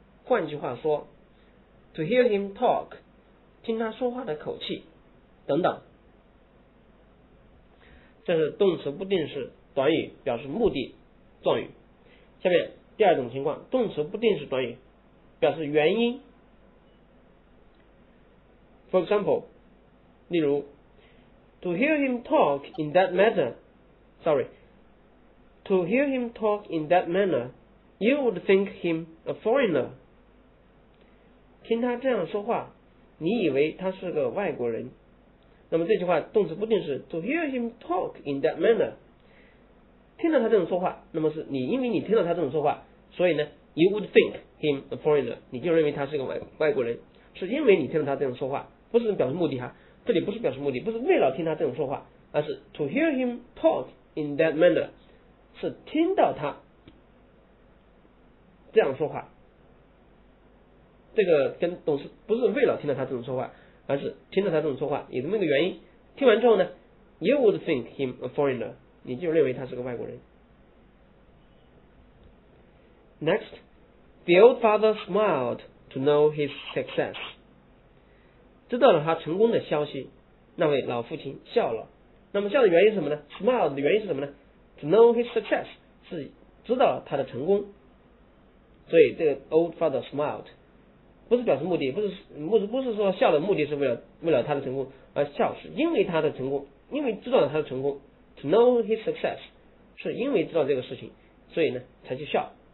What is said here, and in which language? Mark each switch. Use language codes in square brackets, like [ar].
[zh] 换句话说 to hear him talk, 听他说话的口气等等。这是动词不定式短语，表示目的状语。下面第二种情况，动词不定式短语表示原因。 [en] For example, 例如 to hear him talk in that matter, sorry, to hear him talk in that manner, you would think him a foreigner. [zh] 听他这样说话，你以为他是个外国人。那么这句话动词不定式 to hear him talk in that manner, 听到他这种说话，那么是你因为你听到他这种说话，所以呢 you would think him a foreigner, 你就认为他是个外国人，是因为你听到他这种说话，不是表示目的哈，这里不是表示目的，不是为了听他这种说话，而是 to hear him talk in that manner, 是听到他这样说话，这个跟动词不是为了听到他这种说话，而是听到他这种说话有这么一个原因，听完之后呢 you would think him a foreigner, 你就认为他是个外国人。 [en] Next, the old father smiled to know his success. [zh] 知道了他成功的消息，那位老父亲笑了。那么笑的原因是什么呢？ Smiled 的原因是什么呢？ To know his success, 是知道他的成功。所以这个 old father smiled, 不是表示目的，不是说笑的目的是为了他的成功，而笑是因为他的成功，因为知道了他的成功 ， to know his success, 是因为知道这个事情，所以呢才去笑。